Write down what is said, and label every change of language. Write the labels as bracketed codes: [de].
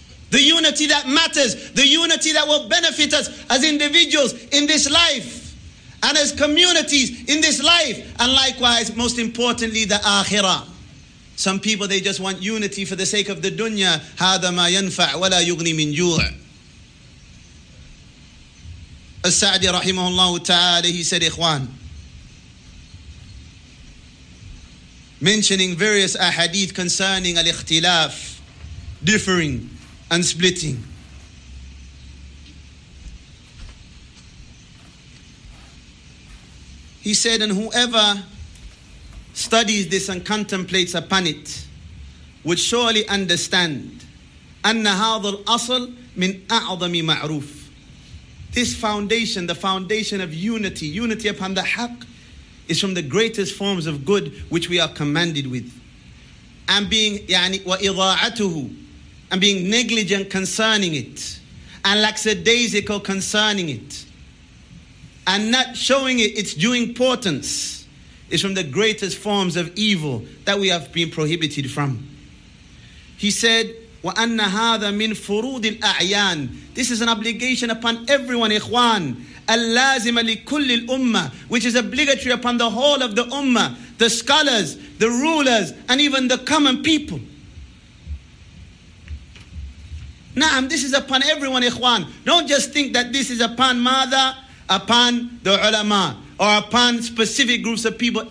[en] The unity that matters. The unity that will benefit us as individuals in this life. And as communities in this life. And likewise, most importantly, the akhirah. Some people, they just want unity for the sake of the dunya. [ar] هذا ما ينفع ولا يغني من جوع. [en] As-Sa'di rahimahullah ta'ala, he said, ikhwan, mentioning various ahadith concerning al-ikhtilaf, differing and splitting. He said, and whoever studies this and contemplates upon it would surely understand, [ar] أن هذا الأصل من أعظم معروف. [en] This foundation, the foundation of unity, unity upon the haqq, is from the greatest forms of good which we are commanded with. And being [ar] يعني, وإضاعته, [en] and being negligent concerning it, and lackadaisical concerning it, and not showing it its due importance, is from the greatest forms of evil that we have been prohibited from. He said, [ar] وَأَنَّ هَذَا مِنْ فُرُودِ الْأَعْيَانِ. [en] This is an obligation upon everyone, ikhwan. [ar] اللازم لكل الأمة, [en] which is obligatory upon the whole of the ummah, the scholars, the rulers, and even the common people. Naam, this is upon everyone, ikhwan. Don't just think that this is upon [ar] ماذا, [en] upon the ulama, or upon specific groups of people.